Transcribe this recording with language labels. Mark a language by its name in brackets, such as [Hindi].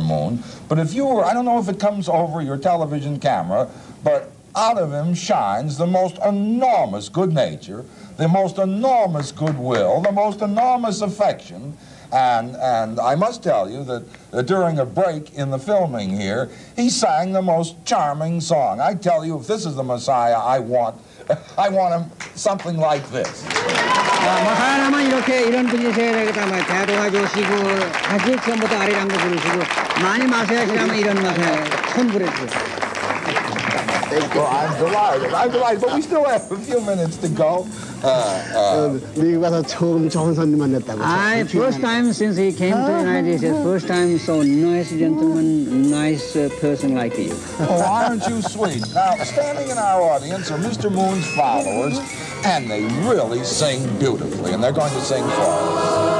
[English] Moon, but if you were, I don't know if it comes over your television camera, but out of him shines the most enormous good nature, the most enormous goodwill, the most enormous affection, and I must tell you that during a break in the filming here, he sang the most charming song. I tell you, if this is the Messiah I want him something like this. [Korean] 사람은 이렇게 이런 분이 되셔야 되겠다. 뭐 대화도 해주시고 아주 처음부터 아리랑도 부르시고 많이 마셔야지만 이런 맛에 천불해 주세요. [English] Well, I'm delighted. But we still have a few minutes to go. [Korean] 미국 와서 처음 좋은 손님 만났다고. [English] I first time since he came to United States. First time so nice gentleman, nice person like you. Oh, aren't you sweet? Now, standing in our audience are Mr. Moon's followers, and they really sing beautifully, and they're going to sing for us.